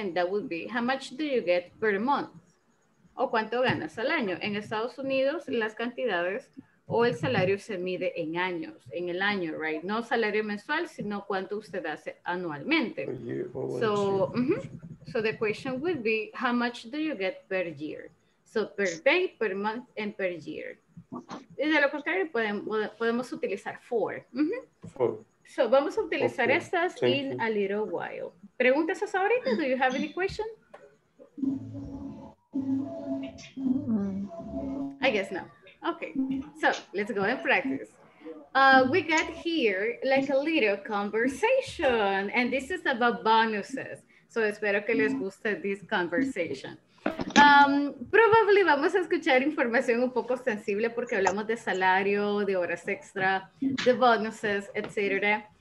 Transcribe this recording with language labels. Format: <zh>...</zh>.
<en>And that would be how much do you get per month?</en> <es>¿O cuánto ganas al año? En Estados Unidos, las cantidades o el salario se mide en años, en el año, right? No salario mensual, sino cuánto usted hace anualmente.</es> <en>So the question would be, how much do you get per year? So per day, per month, and per year.</en> <es>Y de lo contrario, podemos utilizar</es> <en>for. For. So</en> <es>vamos a utilizar estas</es> <en>in a little while.</en> <es>¿Preguntas hasta ahorita?</es> <en>Do you have any question? I guess no. Okay, so let's go and practice. We got here like a little conversation, and this is about bonuses.</en> <es>So espero que les guste</es> <en>this conversation.</en> <es>Probably vamos a escuchar información un poco sensible porque hablamos de salario, de horas extra, de bonuses, etc.</es>